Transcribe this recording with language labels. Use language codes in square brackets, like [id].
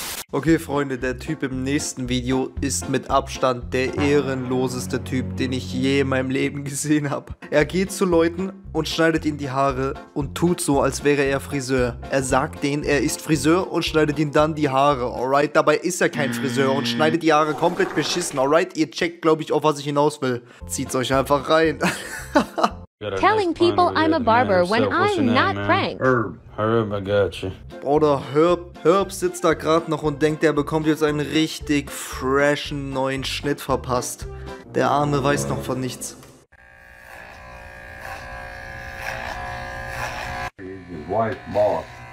[de] Okay, Freunde, der Typ im nächsten Video ist mit Abstand der ehrenloseste Typ, den ich je in meinem Leben gesehen habe. Er geht zu Leuten und schneidet ihnen die Haare und tut so, als wäre er Friseur. Er sagt denen, er ist Friseur und schneidet ihnen dann die Haare, alright? Dabei ist er kein Friseur und schneidet die Haare komplett beschissen, alright? Ihr checkt, glaube ich, auf was ich hinaus will. Zieht's euch einfach rein. [en] Telling people I'm a barber when I'm not pranked. Herb, I got you. [de] Oder Herb sitzt da gerade noch und denkt, er bekommt jetzt einen richtig freshen neuen Schnitt verpasst. Der Arme weiß noch von nichts. [en] White boss.